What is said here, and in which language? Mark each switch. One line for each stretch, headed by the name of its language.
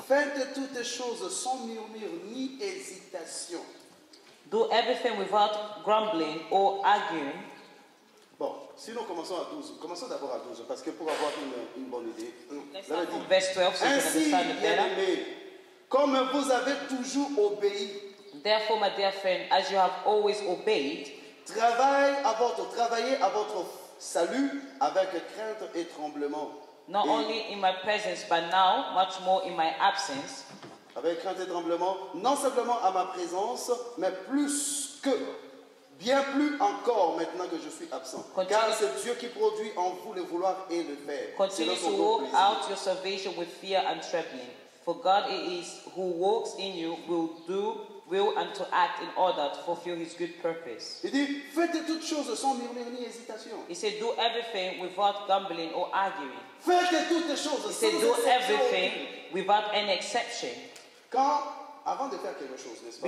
French: Faites toutes choses sans murmure ni hésitation.
English: Do everything without grumbling or arguing.
French: Bon, si nous commençons à 12, commençons d'abord à 12, parce que pour avoir une bonne idée, là, dit, verse 12, so ainsi, bien-aimé, comme vous avez toujours obéi,
English: therefore, my dear friend, as you have always obeyed,
French: travaillez à votre salut avec crainte et tremblement.
English: Not only in my presence, but now, much more in my absence.
French: Avec crainte et tremblement, non simplement à ma présence, mais plus que. Bien plus encore maintenant que je suis absent. Continue. Car c'est Dieu qui produit en vous le vouloir et le faire.
English: Continue to work out your salvation with fear and trembling. For God it is who works in you will do will and to act in order to fulfill his good purpose.
French: Il dit, faites toutes choses sans murmure ni hésitation.
English: He said, do everything without grumbling or arguing.
French: Faites toutes choses sans
English: He said, do everything without any exception.
French: Quand, avant de faire quelque chose, n'est-ce pas?